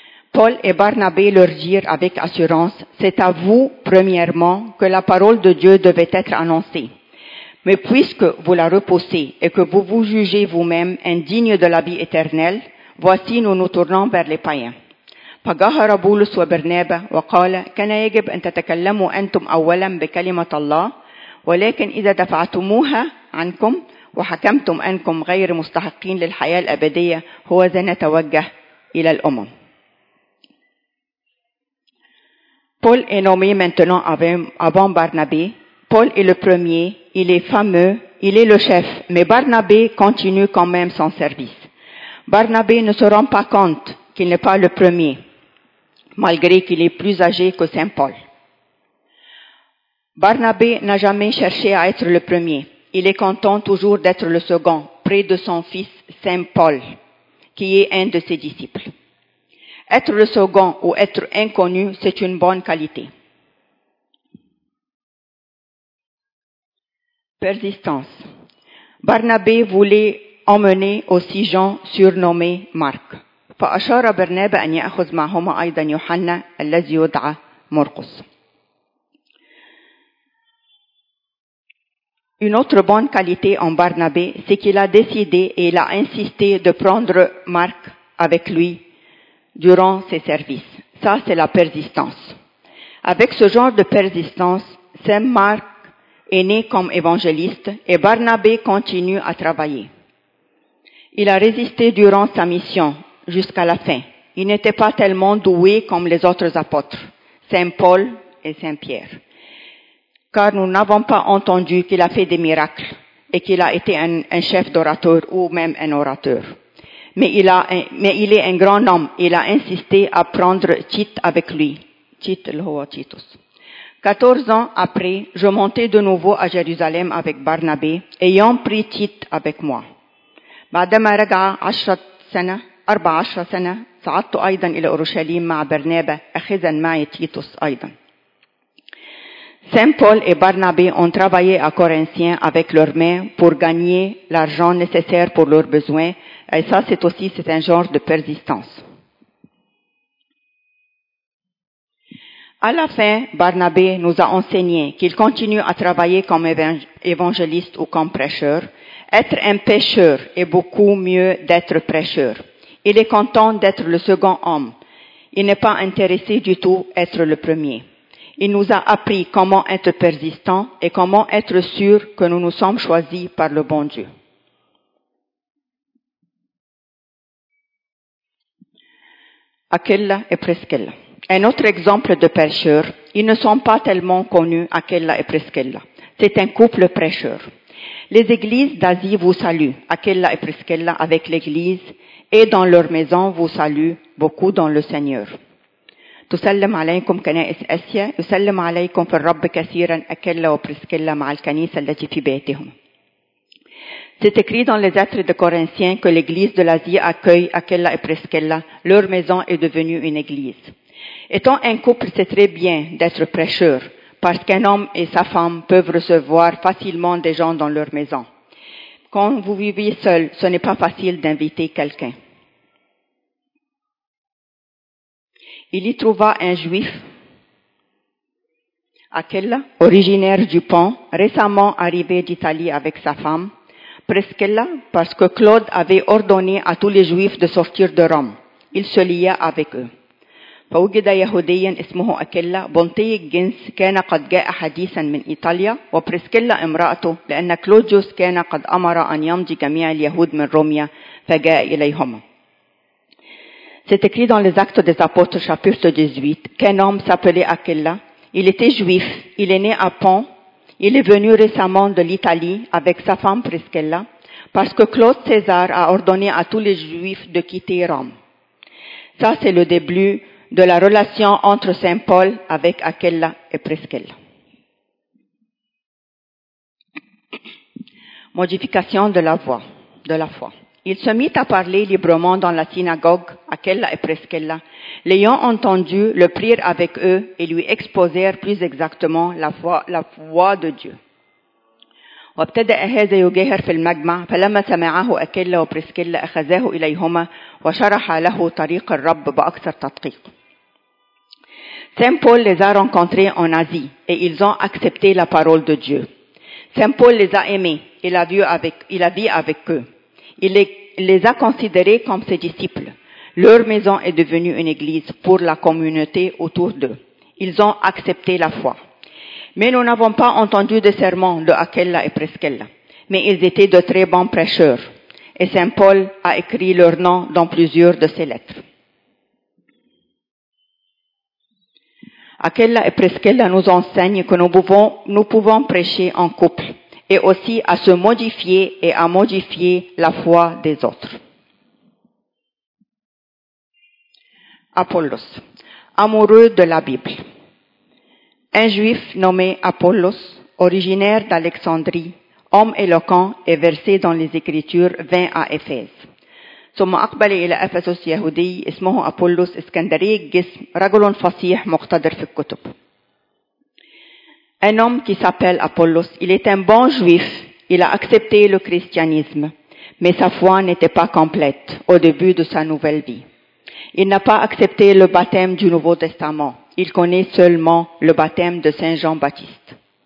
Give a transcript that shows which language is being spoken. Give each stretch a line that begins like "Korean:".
French: Paul et Barnabé leur dirent avec assurance, « C'est à vous, premièrement, que la parole de Dieu devait être annoncée. Mais puisque vous la repoussez et que vous vous jugez vous-même indigne de la vie éternelle, voici nous nous tournons vers les païens. »
Arabic: فجاهر بولس وبرنابا وقال كان يجب أن تتكلموا أنتم أولا بكلمة الله ولكن إذا دفعتموها عنكم وحكمتم أنكم غير مستحقين للحياة الأبدية هو ذا نتوجه إلى الأمم.
French: Paul est nommé maintenant avant Barnabé. Paul est le premier, il est fameux, il est le chef, mais Barnabé continue quand même son service. Barnabé ne se rend pas compte qu'il n'est pas le premier, malgré qu'il est plus âgé que Saint Paul. Barnabé n'a jamais cherché à être le premier. Il est content toujours d'être le second, près de son fils Saint Paul, qui est un de ses disciples. Être le second ou être inconnu, c'est une bonne qualité. Persistance. Barnabé voulait emmener aussi Jean, surnommé Marc.
Arabic: فأشار برنابا أن يأخذ معهما أيضا يوحنا الذي يدعى مرقس.
French: Une autre bonne qualité en Barnabé, c'est qu'il a décidé et il a insisté de prendre Marc avec lui durant ses services. Ça, c'est la persistance. Avec ce genre de persistance, Saint Marc est né comme évangéliste et Barnabé continue à travailler. Il a résisté durant sa mission jusqu'à la fin. Il n'était pas tellement doué comme les autres apôtres, Saint Paul et Saint Pierre, car nous n'avons pas entendu qu'il a fait des miracles et qu'il a été un chef d'orateur ou même un orateur. Mais il est un grand homme. Il a insisté à prendre Tite avec lui. Tite, le roi Titus. 14 ans après, je montais de nouveau à Jérusalem avec Barnabé, ayant pris Tite avec moi.
Arabic: بعدما رجع 14 سنة صعدت أيضا إلى أورشليم مع برنابا أخذا معي تيتوس أيضا.
French: Saint Paul et Barnabé ont travaillé à Corinthiens avec leurs mains pour gagner l'argent nécessaire pour leurs besoins. Et ça, c'est un genre de persistance. À la fin, Barnabé nous a enseigné qu'il continue à travailler comme évangéliste ou comme prêcheur. Être un pêcheur est beaucoup mieux d'être prêcheur. Il est content d'être le second homme. Il n'est pas intéressé du tout être le premier. Il nous a appris comment être persistant et comment être sûr que nous nous sommes choisis par le bon Dieu. Aquila et Priscilla. Un autre exemple de prêcheurs, ils ne sont pas tellement connus, Aquila et Priscilla. C'est un couple prêcheur. Les églises d'Asie vous saluent, Aquila et Priscilla, avec l'église, et dans leur maison vous saluent beaucoup dans le Seigneur.
Arabic: تسلم عليكم كنائس آسيا يسلم عليكم في الرب كثيرا أكيلا وبريسكيلا مع الكنيسة التي في بيتهم.
French: C'est écrit dans les Actes de Corinthiens que l'église de l'Asie accueille Aquila et Priscilla. Leur maison est devenue une église. Étant un couple, c'est très bien d'être prêcheur parce qu'un homme et sa femme peuvent recevoir facilement des gens dans leur maison. Quand vous vivez seul, ce n'est pas facile d'inviter quelqu'un. Il y trouva un juif, Aquila, originaire du Pont, récemment arrivé d'Italie avec sa femme, Priscilla, parce que Claude avait ordonné à tous les juifs de sortir de Rome. Il se lia avec eux.
Arabic: فوجد يهوديا اسمه أكيلا بونتي الجنس كان قد جاء حديثا من إيطاليا وبريسكيلا امرأته لأن كلوديوس كان قد أمر أن يمضي جميع اليهود من روميا فجاء إليهما.
French: C'est écrit dans les Actes des Apôtres, chapitre 18, qu'un homme s'appelait Aquila. Il était juif, il est né à Pont, il est venu récemment de l'Italie avec sa femme Priscilla, parce que Claude César a ordonné à tous les juifs de quitter Rome. Ça, c'est le début de la relation entre Saint Paul avec Aquila et Priscilla. Modification de la voix, de la foi. Il se mit à parler librement dans la synagogue, Aquila et Priscilla. L'ayant entendu, le prirent avec eux et lui exposèrent plus exactement la foi de Dieu.
Arabic: وابتدأ هذا يجاهر في المجمع فلما سمعه أكيلا وبريسكيلا أخذاه إليهما وشرح له طريق الرب بأكثر تدقيق.
French: Saint Paul les a rencontrés en Asie et ils ont accepté la parole de Dieu. Saint Paul les a aimés et il a vécu avec eux. Il les a considérés comme ses disciples. Leur maison est devenue une église pour la communauté autour d'eux. Ils ont accepté la foi. Mais nous n'avons pas entendu de serment de Aquila et Priscilla. Mais ils étaient de très bons prêcheurs. Et saint Paul a écrit leur nom dans plusieurs de ses lettres. Aquila et Priscilla nous enseignent que nous pouvons prêcher en couple et aussi à se modifier et à modifier la foi des autres. Apollos, amoureux de la Bible. Un juif nommé Apollos, originaire d'Alexandrie, homme éloquent et versé dans les Écritures, vint à Éphèse.
Arabic: ثم أقبل إلى أفسس يهودي اسمه أبولوس إسكندري الجسم رجل فصيح مقتدر في الكتب.
French: Un homme qui s'appelle Apollos, il est un bon juif, il a accepté le christianisme, mais sa foi n'était pas complète au début de sa nouvelle vie. Il n'a pas accepté le baptême du Nouveau Testament, il connaît seulement le baptême de Saint Jean-Baptiste.